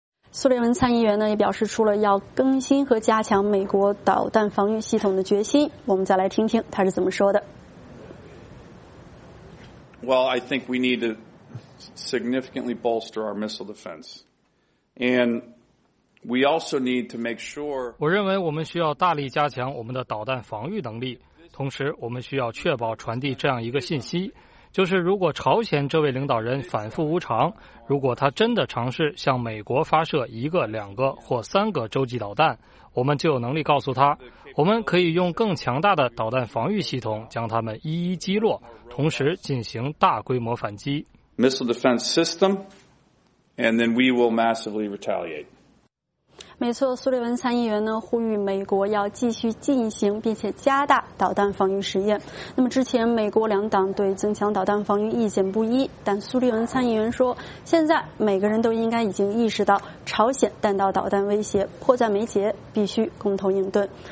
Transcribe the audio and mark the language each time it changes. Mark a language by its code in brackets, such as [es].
[zh] 苏利文参议员呢也表示出了要更新和加强美国导弹防御系统的决心，我们再来听听他是怎么说的。 [en] Well, I think we need to significantly bolster our missile defense. And we also need to make sure. [zh] 我认为我们需要大力加强我们的导弹防御能力，同时我们需要确保传递这样一个信息，就是如果朝鲜这位领导人反复无常，如果他真的尝试向美国发射一个、两个或三个洲际导弹，我们就有能力告诉他，我们可以用更强大的导弹防御系统将他们一一击落，同时进行大规模反击。 [en] Missile defense system, and then we will massively retaliate. [zh] 没错，苏利文参议员呢呼吁美国要继续进行并且加大导弹防御实验。那么之前美国两党对增强导弹防御意见不一，但苏利文参议员说，现在每个人都应该已经意识到朝鲜弹道导弹威胁迫在眉睫，必须共同应对。